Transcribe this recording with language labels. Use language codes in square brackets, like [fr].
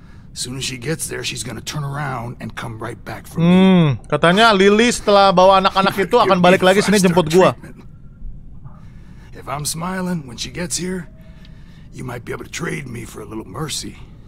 [en] As soon as she gets there, she's gonna turn around and come right back for me. [id] Katanya Lily setelah bawa anak-anak itu akan balik lagi sini jemput gua. [en] If I'm smiling when she gets here, you might be able to trade me for a little mercy.